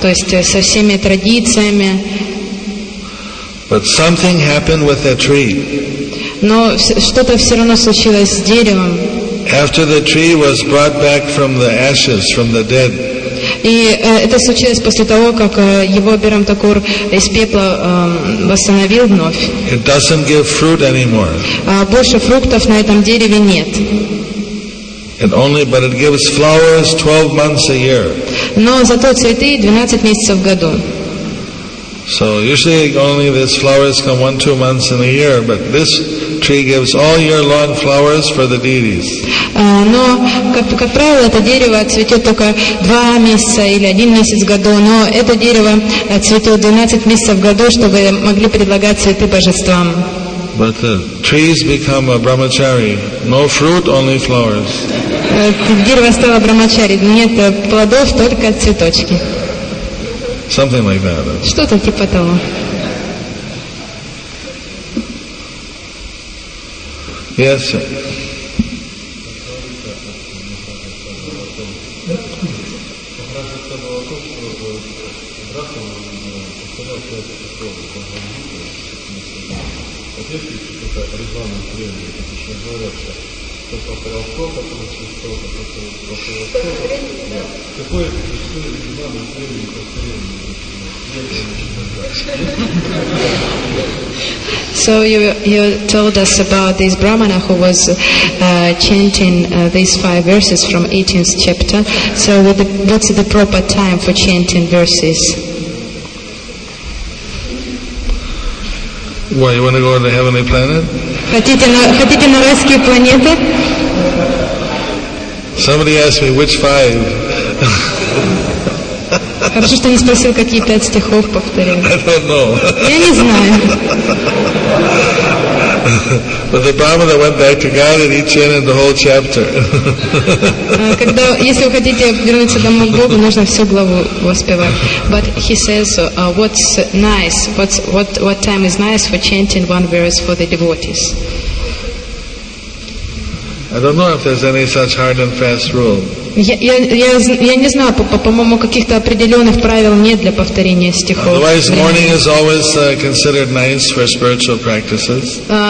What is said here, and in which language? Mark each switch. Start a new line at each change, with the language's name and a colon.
Russian: То есть со всеми традициями.
English: But something happened with the tree.
Russian: Но что-то все равно случилось с деревом.
English: After the tree was brought back from the ashes, from the dead.
Russian: И это случилось после того, как его Абирам Такур из пепла восстановил вновь.
English: It doesn't give fruit anymore.
Russian: Больше фруктов на этом дереве нет.
English: But it gives flowers 12 months a year.
Russian: Но зато цветы 12 месяцев в году.
English: So usually only these flowers come 1-2 months in a year, but this tree gives all year long flowers for the deities.
Russian: Но как правило, это дерево цветет только 2 месяца или 1 месяц в году, но это дерево цветет 12 месяцев в году, чтобы могли предлагать цветы божествам.
English: But the trees become a brahmachari. No fruit, only flowers.
Russian: Дерево стало брахмачари. Нет плодов, только цветочки.
English: Something like that.
Russian: Что-то типа того.
English: Yes, sir. So you told us about this Brahmana who was chanting these five verses from 18th chapter. So what's the proper time for chanting verses? What, you want to go on the heavenly planet?
Russian: Хотите на райские планеты?
English: Somebody asked me which five.
Russian: Хорошо, что не спросил, какие пять стихов повторил.
English: I don't know.
Russian: Я не знаю.
English: But the Brahmana went back to God and he chanted the whole chapter.
Russian: Когда, если вы хотите вернуться домой к Богу, нужно всю главу воспевать.
English: But he says, what's nice? What time is nice for chanting one verse for the devotees? I don't know if there's any such hard and fast rule.
Russian: Я не знаю, по-моему, каких-то определенных правил нет для повторения стихов.
English: Otherwise, morning is always considered nice for spiritual practices.